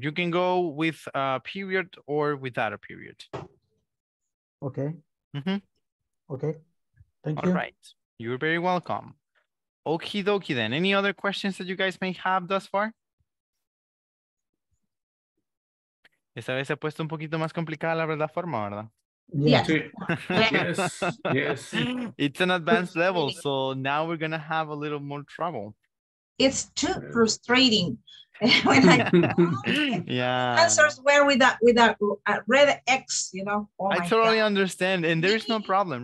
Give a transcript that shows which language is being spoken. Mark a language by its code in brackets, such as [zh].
[en] You can go with a period or without a period. Okay. Mm-hmm. Okay. Thank you. All right. You're very welcome. Okie dokie then. Any other questions that you guys may have thus far? [es] Esta vez se ha puesto un poquito más complicada la verdad forma, ¿verdad? [en] Yes. It's an advanced level, so now we're going to have a little more trouble. It's too frustrating. When answers were with a red X, you know? Oh, I totally understand, and there's no problem.